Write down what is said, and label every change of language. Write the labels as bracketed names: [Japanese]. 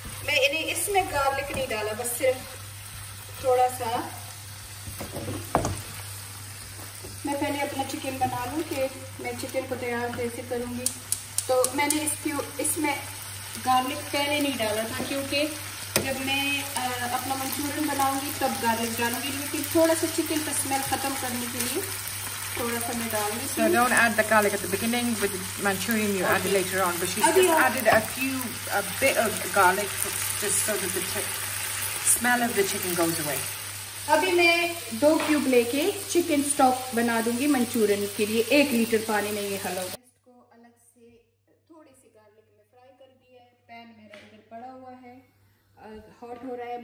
[Hindi] मैं इन्हें इसमें गार्लिक नहीं डाला, बस सिर्फ थोड़ा सा, मैं पहले अपना चिकन बना लूं कि मैं चिकन को तैयार कैसे करूंगी, तो मैंने इसमें गार्लिक garlic पहले नहीं डाला था क्योंकि जब मैं अपना मंचूरियन बनाऊंगी तब garlic डालूंगी क्योंकि थोड़ा सा chicken का smell खत्म करने के लिए थोड़ा सा मैं डालूंगी. [English] So don't add the garlic at the beginning with the manchurian, you add it later on. But she's just added a bit of garlic just so that the smell of the chicken goes away. [Hindi] अभी मैं दो cube लेके chicken stock बना दूंगी Manchurian के लिए. एक litre पानी में ये हलवा इसको अलग से थोड़े से गार्लिक में फ्राई कर दिया है. पैन मेरा इधर पड़ा हुआ है, हॉट हो रहा है.